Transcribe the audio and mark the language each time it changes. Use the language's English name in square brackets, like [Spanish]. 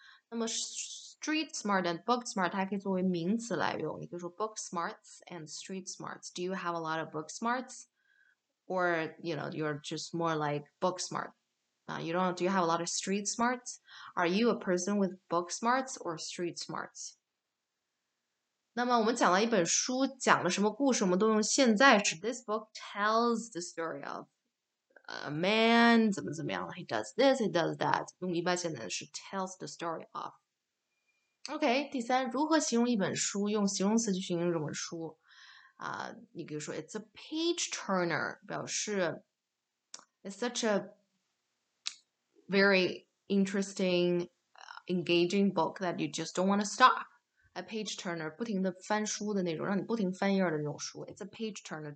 [Chinese] 那么 street smart and book smart 还可以作为名词来用。你可以说 [English] book smarts and street smarts. Do you have a lot of book smarts? Or, you know, you're just more like book smart. Do you have a lot of street smarts? Are you a person with book smarts or street smarts? [Chinese] 那么我们讲了一本书讲了什么故事我们都用现在时。 [English] This book tells the story of a man, [Chinese] 怎么怎么样 [English] He does this, he does that. [Chinese] 用一般现在时 tells the story of. Okay, 第三如何形容一本书用形容词去形容这本书。你可以说 [English] it's a page turner, 表示 it's such a very interesting, engaging book that you just don't want to stop. [Chinese] A page turner, 不停的翻书的那种，让你不停翻页的那种书。 [English] It's a page turner.